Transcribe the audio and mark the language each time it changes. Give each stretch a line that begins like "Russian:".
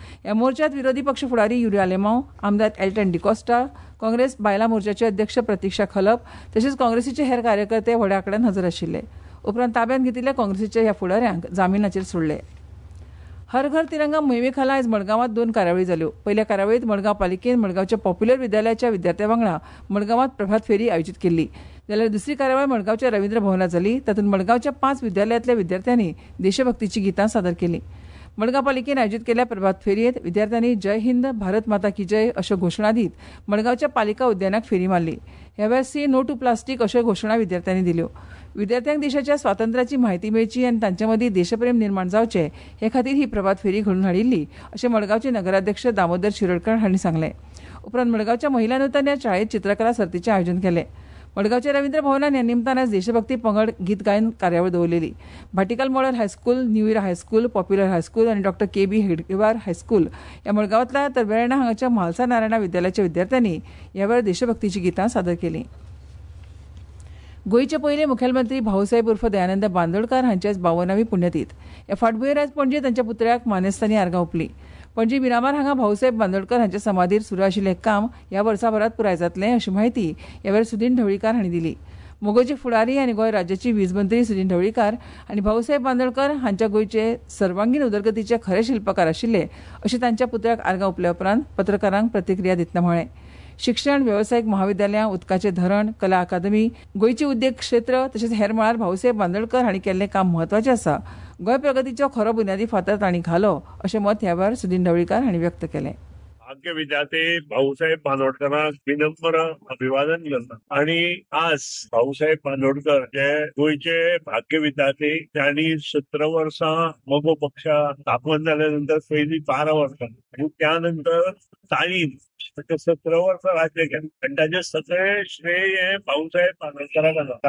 Goan Konkani: ह्या मोर्चात विरोधी पक्ष फुडारी युरी आलेमांव, आमदार एल्टन डिकोस्टा, काँग्रेस बायलां मोर्चाचे अध्यक्ष प्रतिक्षा खलप तशेंच काँग्रेसीचे हेर कार्यकर्ते व्हड्या कडेन हजर आशिल्ले. उपरांत ताब्यांत घेतिल्ल्या काँग्रेसीच्या ह्या फुडाऱ्यांक जामिनाचेर सोडले. हर घर तिरंगा मोहिमेखाला आयज मडगांवांत 2 कार्यावळी जाल्यो. पहिल्या कार्यावळीत मडगांव पालिकेन मडगांवच्या पॉप्युलर विद्यालयाच्या विद्यार्थ्यां वांगडा मडगांवांत प्रभात फेरी आयोजीत केल्ली, जाल्यार दुसरी कार्यावळ मडगांवच्या रविंद्र भवनांत जाली. तातूंत मडगांवच्या 5 विद्यालयांतल्या विद्यार्थ्यांनी देशभक्तीचीं गितां सादर केलीं. मडगांव पालिकेन आयोजीत केल्ल्या प्रभात फेरयेंत विद्यार्थ्यांनी जय हिंद, भारत माता की जय अश्यो घोशणा दीत मडगांवच्या पालिका उद्यानाक फेरी मारली. ह्या वेळार सी नो टू प्लास्टीक अश्यो घोशणा विद्यार्थ्यांनी दिल्यो. विद्यार्थ्यांक देशाच्या स्वातंत्र्याची माहिती मेळची आनी तांचे मदीं देशप्रेम निर्माण जावचे हे खातीर ही प्रभात फेरी घडून हाडिल्ली अशें मडगांवचे नगराध्यक्ष दामोदर शिरोडकर हांणी सांगले. उपरांत मडगांवच्या महिला नूतन ह्या शाळेंत चित्रकला सर्तीचें आयोजन केलें. मडगांवच्या रविंद्र भवनान ह्या निमतान आज देशभक्ती पंगड गीत गायन कार्यावळ दवरलेली. भाटीकाल मॉडल हायस्कूल, न्यू इरा हायस्कूल, पॉप्युलर हायस्कूल आनी डॉ के बी हेडगेवार हायस्कूल ह्या मडगांवांतल्या तर वेर्णा हांगाच्या म्हालसा नारायणा विद्यालयाच्या विद्यार्थ्यांनी ह्या वेळार देशभक्तीचीं गितां सादर केलीं. गोंयचे पयले मुखेलमंत्री भाऊसाहेब उर्फ दयानंद बांदोडकार हांचे आज 52वी पुण्यतीथ. ह्या फाटभुंयेर आज पणजे तांच्या पुतळ्याक मानेस्तांनी आर्गां ओंपलीं. पणजे मिरामार हांगा भाऊसाहेब बांदोडकर हांच्या समाधीर सुरू आशिल्लें काम ह्या वर्साभरांत पुराय जातलें अशी माहिती ह्या वेळार सुदीन ढवळीकार हांणी दिली. मोगोचे फुडारी आनी गोंय राज्याची वीज मंत्री सुदीन ढवळीकार आनी भाऊसाहेब बांदोडकर हांच्या गोंयचे सर्वांगीण उदरगतीचे खरे शिल्पकार आशिल्ले अशें तांच्या पुतळ्याक आर्गां ओंपल्या उपरांत पत्रकारांक प्रतिक्रिया दितना म्हळें. शिक्षण, वेवसायीक महाविद्यालयां, उदकाचें धरण, कला अकादमी, गोंयचे उद्देग क्षेत्र तशेंच हेर मळार भाऊसाहेब बांदोडकर हांणी केल्लें काम म्हत्वाचें आसा. गोंय प्रगतीचो खरो बुनयादी फातर तांणी घालो अशें मत ह्या वेळार सुदीन ढवळीकार हांणी व्यक्त केलें.
Marathi: आमचे विद्यार्थी भाऊसाहेब बांदोडकरांक विनम्र अभिवादन करतात आणि आज भाऊसाहेब बांदोडकर जे गोयचे भाग्य विद्यार्थी त्यांनी 17 वर्षां मगो पक्ष स्थापन झाल्यानंतर पहिली 12 वर्षां आणि त्यानंतर तालीम 17 वर्ष राज्य केलं आणि त्याचे सगळे श्रेय हे भाऊसाहेब बांदोडकरांक आसा.